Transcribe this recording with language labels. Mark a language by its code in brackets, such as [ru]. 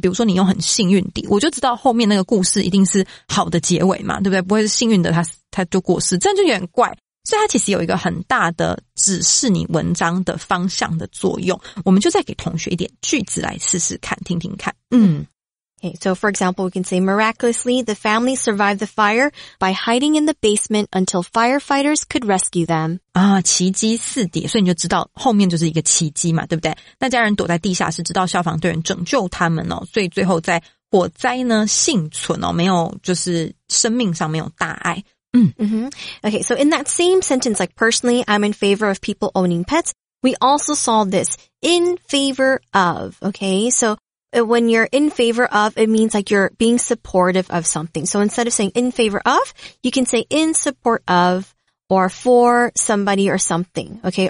[zh] 比如说你用很幸运的，我就知道后面那个故事一定是好的结尾嘛，对不对？不会是幸运的他就过世，这样就有点怪。所以它其实有一个很大的指示你文章的方向的作用。我们就再给同学一点句子来试试看，听听看。嗯。 [en] Okay, so for example, we can say, miraculously, the family survived the fire by hiding in the basement until firefighters could rescue them. [zh] 啊，奇迹四叠，所以你就知道后面就是一个奇迹嘛，对不对？那家人躲在地下室，直到消防队员拯救他们哦，所以最后在火灾呢，幸存哦，没有，就是生命上没有大碍。嗯。Mm-hmm. [en] Okay, so in that same sentence, like, personally, I'm in favor of people owning pets. We also saw this, in favor of, okay, so... When you're in favor of, it means like you're being supportive of something. So instead of saying in favor of, you can say in support of or for somebody or something, okay?